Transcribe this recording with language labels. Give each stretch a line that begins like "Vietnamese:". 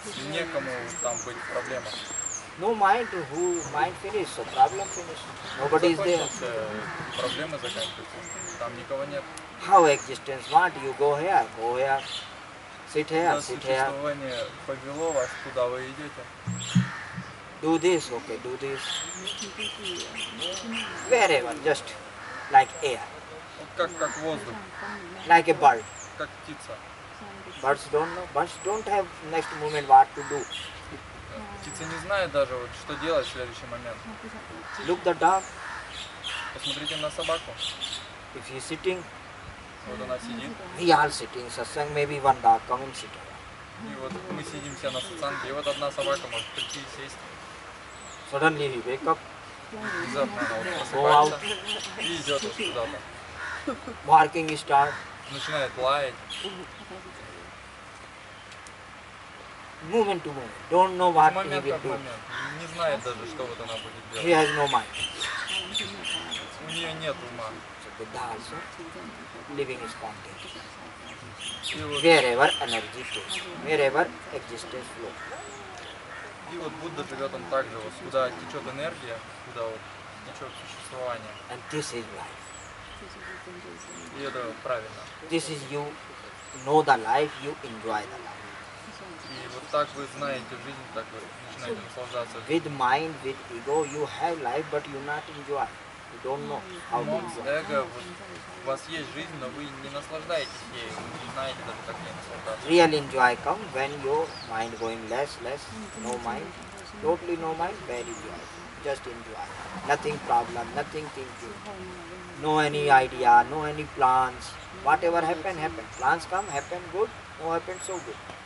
Russian: Некому там быть проблемой.
English: No mind, who mind finish, so problem finish. Nobody is there.
Russian: Проблемы заканчиваются. Там никого нет.
English: How existence want? You go here, sit here, sit here.
Russian: Существование повело вас, куда вы идете?
English: Do this, okay, do this. Wherever, just like air.
Russian: Как воздух.
English: Like a bird.
Russian: Как птица.
English: Birds don't know. Birds don't have next moment what to do.
Russian: Птицы не знают даже, вот, что делать в следующий момент.
English: Look the dog.
Russian: Посмотрите на собаку.
English: If he's sitting.
Russian: Вот она сидит.
English: We are sitting in satsang, maybe one dog come and sit.
Russian: И вот мы сидим все на сатсанге, и вот одна собака может прийти и сесть.
English: Suddenly he wake up.
Russian: Внезапно она вот просыпается и идет вот куда-то.
English: Barking is start.
Russian: Начинает лаять.
English: Moment to moment, don't know what moment he will do.
Russian: Не знает даже, что вот она будет делать.
English: He has no mind.
Russian: У нее нет ума.
English: So Buddha also, living is content. Wherever energy flows, wherever existence flows.
Russian: И вот Будда живет он так же, вот куда течет энергия, куда вот течет существование.
English: And this is life.
Russian: И это вот правильно.
English: This is you know the life, you enjoy the life.
Russian: И вот так вы знаете жизнь, так вы начинаете наслаждаться.
English: With mind, with ego, you have life, but you not enjoy. You don't know how to enjoy.
Russian: Эго, вот, у вас есть жизнь, но вы не наслаждаетесь ею, вы не знаете даже, как ей наслаждаться.
English: Real enjoy come when your mind going less, less, no mind, totally no mind, very enjoy. Just enjoy. Nothing problem, nothing thinking. No any idea, no any plans. Whatever happen, happen. Plans come, happen good, no happen so good.